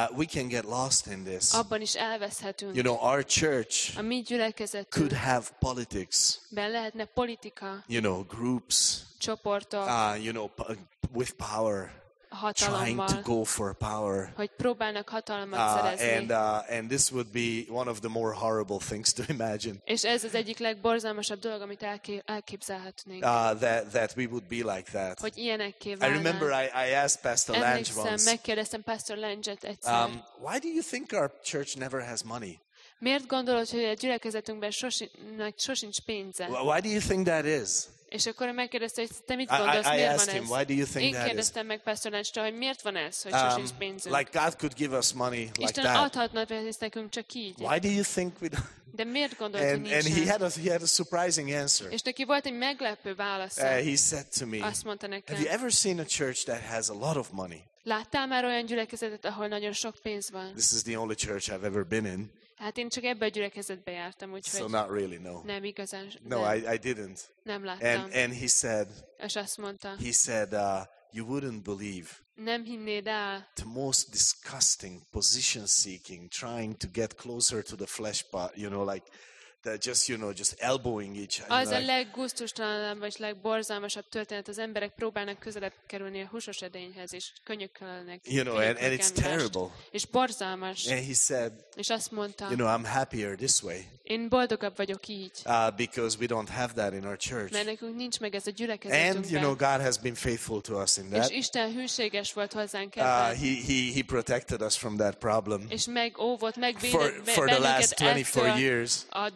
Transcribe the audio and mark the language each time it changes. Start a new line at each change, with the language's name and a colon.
English: We can get lost in this.
Hungarian: Abban is elveszhetünk.
English: You know, our church
Hungarian: a mi gyülekezetünk
English: could have politics.
Hungarian: Ben lehetne politika.
English: You know, groups.
Hungarian: Csoportok.
English: You know, with power.
Hungarian: Hatalommal,
English: trying to go for power.
Hungarian: Hogy próbálnak hatalmat szerezni.
English: And this would be one of the more horrible things to imagine.
Hungarian: És ez az egyik legborzalmasabb dolog, amit elképzelhetnénk.
English: That we would be like that.
Hungarian: Hogy ilyenekké válnánk.
English: I remember I asked Pastor Lange once.
Hungarian: Megkérdeztem Pastor Lange-et egyszer.
English: Why do you think our church never has money?
Hungarian: Miért gondolod, hogy a gyülekezetünkben sosincs pénze?
English: Why do you think that is?
Hungarian: És akkor megkérdezte, hogy te mit gondolsz, miért van ez?
English: Him, why do you think
Hungarian: én kérdeztem
English: that is?
Hungarian: Meg Pastor Lange-től, hogy miért van ez, hogy sosincs pénzünk.
English: Like God could give us money
Hungarian: Isten
English: like that.
Hungarian: Adhatna pénzt nekünk csak így.
English: Why do you think we don't?
Hungarian: De miért gondolod, hogy nincs?
English: And he had a surprising answer.
Hungarian: És neki volt egy meglepő válasz.
English: He said to me,
Hungarian: azt mondta nekem,
English: have you ever seen a church that has a lot of money?
Hungarian: Láttál már olyan gyülekezetet, ahol nagyon sok pénz van?
English: This is the only church I've ever been in.
Hungarian: Hát én csak ebbe a gyülekezetbe jártam, úgyhogy
English: so not really, no.
Hungarian: Nem igazán.
English: No,
Hungarian: nem.
English: I didn't.
Hungarian: Nem láttam.
English: And he said,
Hungarian: és azt mondta,
English: he said, you wouldn't believe
Hungarian: nem hinnéd el,
English: the most disgusting position seeking, trying to get closer to the flesh part, you know, like That just, you know, just elbowing each other.
Hungarian: Az a leggusztustalanabb vagy legborzalmasabb történet, az emberek próbálnak közelebb kerülni a húsos edényhez és könyökölnek.
English: You know, and it's terrible.
Hungarian: És borzalmas.
English: And he said,
Hungarian: és azt mondta,
English: you know, I'm happier this way.
Hungarian: Én boldogabb vagyok így.
English: Because we don't have that in our church.
Hungarian: Mert nekünk nincs meg ez a gyülekezetünkben.
English: And you know, God has been faithful to us in that.
Hungarian: És Isten hűséges volt hozzánk ebben.
English: He protected us from that problem.
Hungarian: És megóvott, megvédett
English: for the last 24 years.